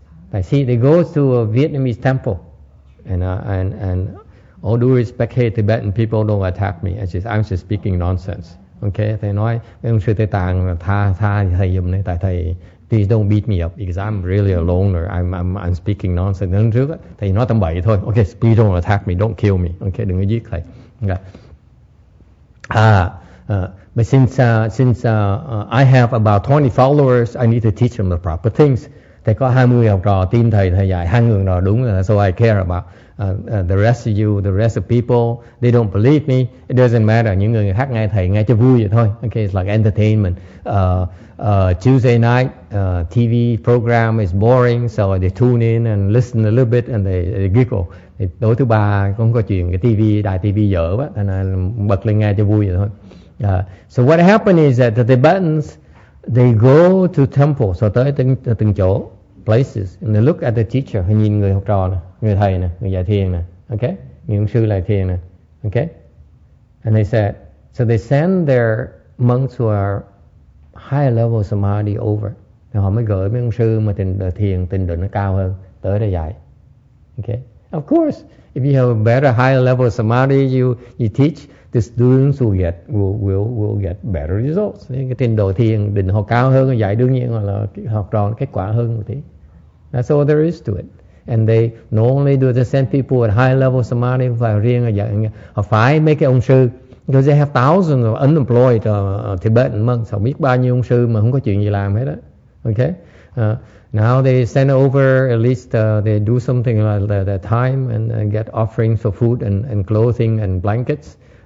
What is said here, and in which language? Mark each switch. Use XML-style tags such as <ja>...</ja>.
<en>Tại see they go to a Vietnamese temple and all due respect, hey, Tibetan people don't attack me. I'm just speaking nonsense.</en> <vi>Okay, thầy nói mấy ông sư Tây Tạng tha thầy giùm này, tại thầy</vi> <en>please don't beat me up because I'm really a loner. I'm speaking nonsense.</en> <vi>Lần trước thầy nói tầm bậy thôi.</vi> <en>Okay, please don't attack me. Don't kill me. Okay,</en> <vi>đừng có giết thầy.</vi> <en>Yeah. But since I have about 20 followers, I need to teach them the proper things.</en> <vi>Thầy có 20 học trò tin thầy dạy hai người nào đúng là</vi> <en>so I care about the rest of you, the rest of people. They don't believe me. It doesn't matter.</en> <vi>Những người khác nghe thầy nghe cho vui vậy thôi.</vi> <en>Okay, it's like entertainment. Tuesday night TV program is boring, so they tune in and listen a little bit and they giggle.</en> <vi>Tối thứ ba cũng có chuyện cái TV, đài TV dở quá, thế nên bật lên nghe cho vui vậy thôi.</vi> <en>So what happened is that the Tibetans, they go to temples, so</en> <vi>tới từng chỗ,</vi> <en>places, and they look at the teacher,</en> <vi>họ nhìn người học trò nè, người thầy nè, người dạy thiền nè,</vi> <en>ok?</en> <vi>Người ông sư lại thiền nè, ok?</vi> <en>And they said, so they send their monks who are higher level samadhi over,</en> <vi>thì họ mới gửi mấy ông sư mà tình định nó cao hơn, tới để dạy, ok?</vi> <en>Of course, if you have a better, higher level of samadhi, you teach, the students will get better results.</en> <vi>Cái trình độ thiền định họ cao hơn, dạy đương nhiên là học trò kết quả hơn một tí.</vi> <en>That's all there is to it. And they normally do the same people at higher level of samadhi,</en> <vi>phải riêng dạy, họ phải mấy cái ông sư,</vi> <en>because they have thousands of unemployed Tibetan monks,</en> <vi>họ biết bao nhiêu ông sư mà không có chuyện gì làm hết á.</vi> <en>Okay? Now they send over, at least they do something like the time and get offerings for food and clothing and blankets.</en>